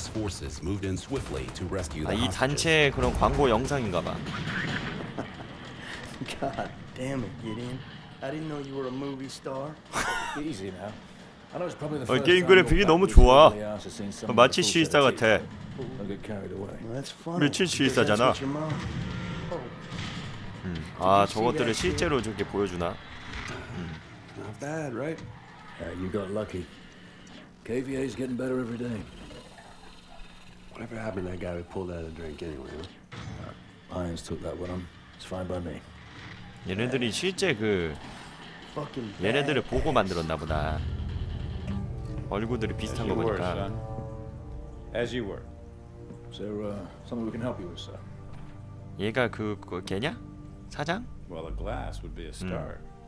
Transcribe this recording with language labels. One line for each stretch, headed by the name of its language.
English: Forces moved in swiftly to rescue.
Korean: 아, 이 단체의 그런 광고 영상인가봐.
English: God damn it, Gideon! I didn't know you were a movie star. Easy now. I was probably the first.
Korean: 게임 그래픽이 너무 좋아. 마치 시스타 같아.
English: That's funny.
Korean: 미친 시스타잖아. 아, 저것들을 실제로 저렇게 보여주나?
English: Not bad, right? You got lucky. KVA is getting better every day. Whatever happened to that guy who pulled out a drink anyway? Irons took that one. It's fine by me.
Korean: 얘네들이 실제 그 얘네들을 보고 만들었나 보다. 얼굴들이 비슷한 거 보니까.
English: As you were. Is there something we can help you with, sir?
Korean: 얘가 그 걔냐? 사장?
English: Well, a glass would be a start.